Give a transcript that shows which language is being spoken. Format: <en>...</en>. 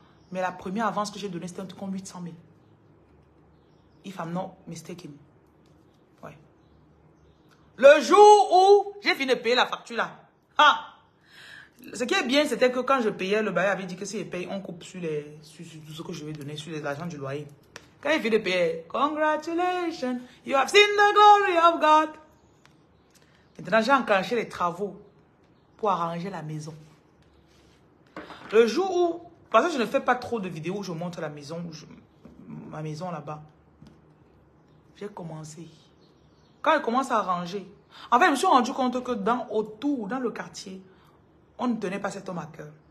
<fr>Mais la première avance que j'ai donnée, c'était un truc comme 800 000.</fr> <en>If I'm not mistaken.</en> <fr>Ouais. Le jour où j'ai fini de payer la facture là. Ah! Ce qui est bien, c'était que quand je payais, le bailleur avait dit que si je paye, on coupe sur tout ce que je vais donner, sur les argent du loyer. Quand il finit de payer,</fr> <en>congratulations, you have seen the glory of God.</en> <fr>Maintenant, j'ai enclenché les travaux pour arranger la maison. Le jour où, parce que je ne fais pas trop de vidéos où je montre la maison, ma maison là-bas, j'ai commencé. Quand je commence à ranger, en fait, je me suis rendu compte que dans le quartier, on ne tenait pas cet homme à cœur.</fr>